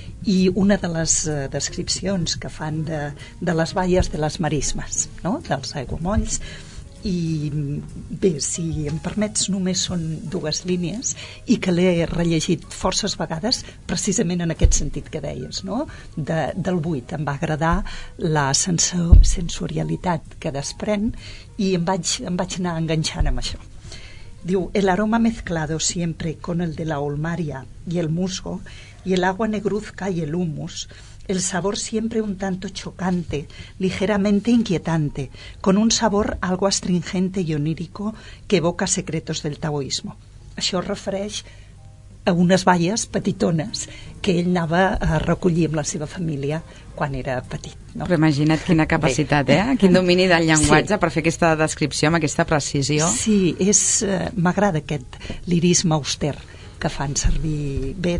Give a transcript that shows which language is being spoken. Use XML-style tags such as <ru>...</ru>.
<ca>I una de les descripcions que fan de les valles de les marismes, no?, dels aiguamolls, i bé, si em permets, només són 2 línies i que l'he rellegit forces vegades precisament en aquest sentit que deies, no?, del buit. Em va agradar la sensorialitat que desprèn i em vaig anar enganxant amb això.</ca> <es>Diu, el aroma mezclado siempre con el de la olmaria y el musgo, y el agua negruzca y el humus, el sabor siempre un tanto chocante, ligeramente inquietante, con un sabor algo astringente y onírico que evoca secretos del taoísmo.</es> <ca>Això es refereix a unes baies petitones que ell anava a recollir amb la seva família quan era petit. No? Però imagina't quina capacitat, quin domini del llenguatge, sí, per fer aquesta descripció amb aquesta precisió. Sí, m'agrada aquest lirisme auster que fan servir bé.</ca>